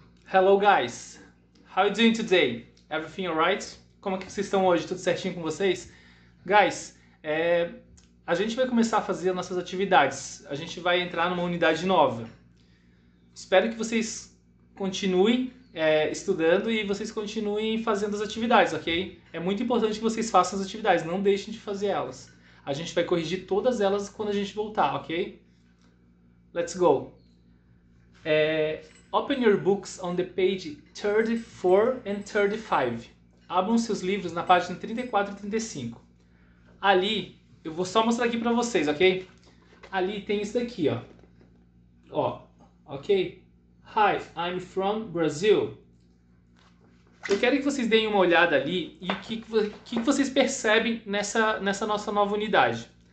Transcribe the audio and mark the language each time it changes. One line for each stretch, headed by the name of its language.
English: Hello guys, how are you doing today? Everything alright?
Portuguese: Como é que vocês estão hoje? Tudo certinho com vocês? Guys, a gente vai começar a fazer nossas atividades. A gente vai entrar numa unidade nova. Espero que vocês continuem estudando e vocês continuem fazendo as atividades, ok? É muito importante que vocês façam as atividades, não deixem de fazer elas. A gente vai corrigir todas elas quando a gente voltar, ok?
English: Let's go! Open your books on the page 34 and 35.
Portuguese: Abram seus livros na página 34 e 35. Ali, eu vou só mostrar aqui para vocês, ok? Ali tem isso daqui, ó. Ó, ok?
English: Hi, I'm from Brazil.
Portuguese: Eu quero que vocês deem uma olhada ali e o que vocês percebem nessa nossa nova unidade.